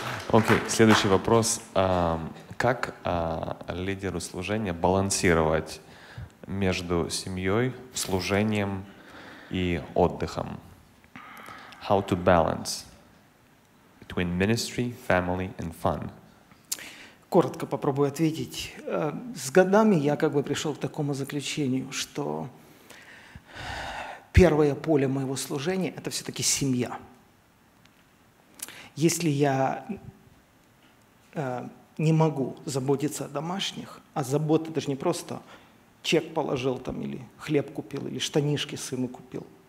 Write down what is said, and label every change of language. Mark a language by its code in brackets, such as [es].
[ru] Окей, следующий вопрос. Как лидеру служения балансировать между семьей, служением и отдыхом? [en] How to balance between ministry, family and fun? [ru] Коротко попробую ответить. С годами я как бы пришел к такому заключению, что первое поле моего служения – это все-таки семья. Если я не могу заботиться о домашних, а забота – это же не просто чек положил там, или хлеб купил, или штанишки сыну купил.